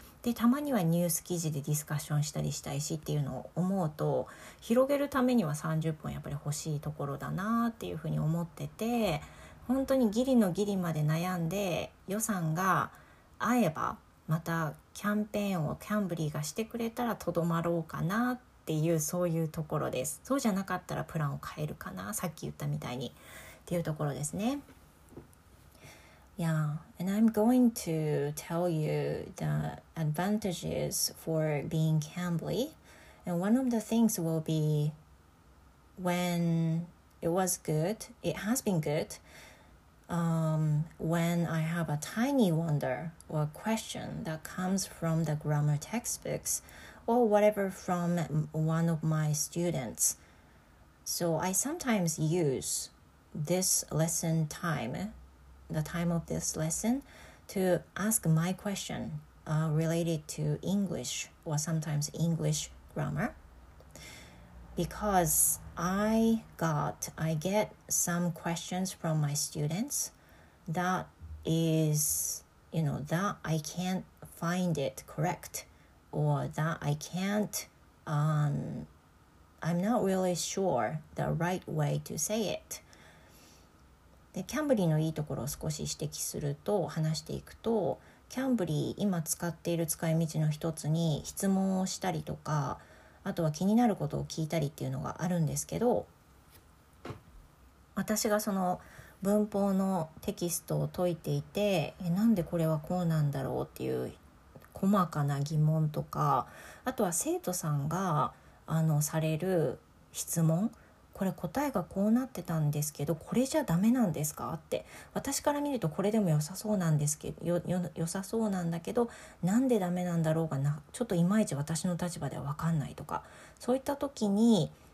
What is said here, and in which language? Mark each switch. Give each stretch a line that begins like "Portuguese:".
Japanese: でたまにはニュース記事でディスカッションしたりしたいしっていうのを思うと、広げるためには30分やっぱり欲しいところだなっていうふうに思ってて、本当にギリのギリまで悩んで予算が合えばまたキャンペーンをキャンブリーがしてくれたらとどまろうかなっていう、そういうところです。そうじゃなかったらプランを変えるかな、さっき言ったみたいにっていうところですね。
English: Yeah, and I'm going to tell you the advantages for being Cambly. And one of the things will be when it was good, it has been good, when I have a tiny wonder or question that comes from the grammar textbooks or whatever from one of my students. So I sometimes use this lesson time,the time of this lesson to ask my question related to English or sometimes English grammar, because I get some questions from my students that is, you know, that I can't find it correct or that I can't, I'm not really sure the right way to say it.
Japanese: でキャンブリーのいいところを少し指摘すると話していくと、キャンブリー今使っている使い道の一つに質問をしたりとか、あとは気になることを聞いたりっていうのがあるんですけど、私がその文法のテキストを解いていて、なんでこれはこうなんだろうっていう細かな疑問とか、あとは生徒さんがされる質問、これ答えがこうなってたんですけどこれじゃダメなんですかって、私から見るとこれでも良さそうなんですけど、良さそうなんだけどなんでダメなんだろうがな、ちょっといまいち私の立場では分かんないとか、そういった時に